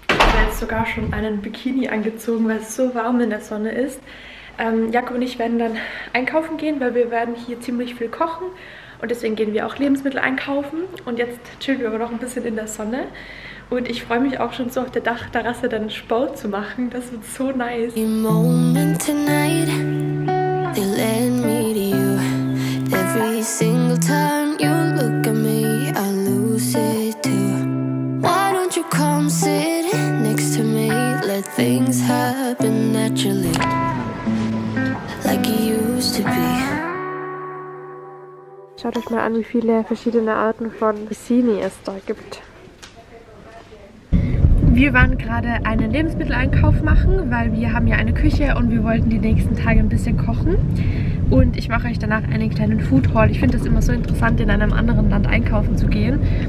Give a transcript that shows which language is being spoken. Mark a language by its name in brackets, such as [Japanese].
[German] Ich habe jetzt sogar schon einen Bikini angezogen, weil es so warm in der Sonne ist. Jakob und ich werden dann einkaufen gehen, weil wir werden hier ziemlich viel kochen und deswegen gehen wir auch Lebensmittel einkaufen und jetzt chillen wir aber noch ein bisschen in der Sonne und ich freue mich auch schon so auf der Dachterrasse dann Sport zu machen. Das wird so nice. [English] The moment tonight, they led me to you. Every single time you look at me, I lose it too. Why don't you come sit next to me? Let things happen naturally, like it used to be. [German] Schaut euch mal an, wie viele verschiedene Arten von Bikini es da gibt. Wir waren gerade einen Lebensmitteleinkauf machen, weil wir haben ja eine Küche und wir wollten die nächsten Tage ein bisschen kochen. Und ich mache euch danach einen kleinen Food Haul. Ich finde es immer so interessant, in einem anderen Land einkaufen zu gehen.